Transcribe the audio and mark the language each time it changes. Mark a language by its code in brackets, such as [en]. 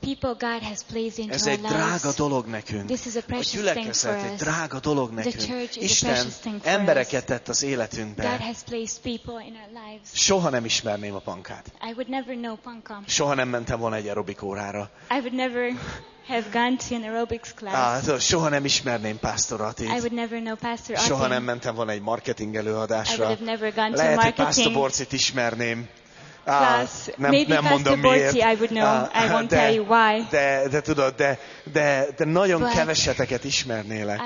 [en] People God has placed into our lives. [hu] Ez egy drága dolog nekünk. [en] This is a precious thing for us. [hu] A gyülekezet egy drága dolog nekünk. [en] The church is [hu] Isten [en] a precious thing for us. [hu] Embereket tett az életünkbe. [en] God has placed people in our lives. [hu] Soha nem ismerném a Pankát. [en] I would never know Panka. [hu] Soha nem mentem volna egy aerobik órára. [en] I would never have gone to an aerobics class. [hu] Soha nem ismerném Pásztor Attit. [en] I would never know Pastor Attit. [hu] Soha nem mentem volna egy marketing előadásra. [en] I would have never gone [hu] lehet, [en] to marketing. [hu] Lehet, hogy Pásztor Borcit ismerném. [en] class. [hu] Nem mondom miért. [en] I would know. I won't tell you why. [hu] De tudod, de nagyon keveseteket ismernélek.